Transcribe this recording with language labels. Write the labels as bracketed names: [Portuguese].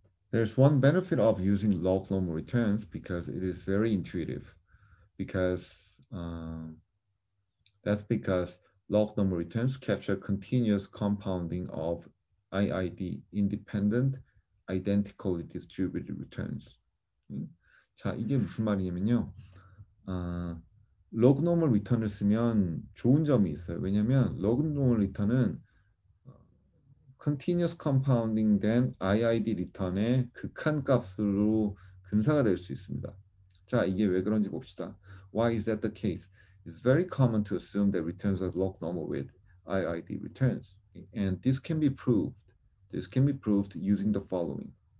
[English] There's one benefit of using log normal returns because it is very intuitive. That's because log normal returns capture continuous compounding of IID, independent, identically distributed returns. [Korean] 자, 이게 무슨 말이냐면요. log normal return을 쓰면 좋은 점이 있어요. 왜냐하면 log normal return은 continuous compounding 된 IID return의 극한값으로 근사가 될수 있습니다. 자, 이게 왜 그런지 봅시다. [English] Why is that the case? It's very common to assume that returns are log normal with IID returns. And this can be proved. This can be proved using the following.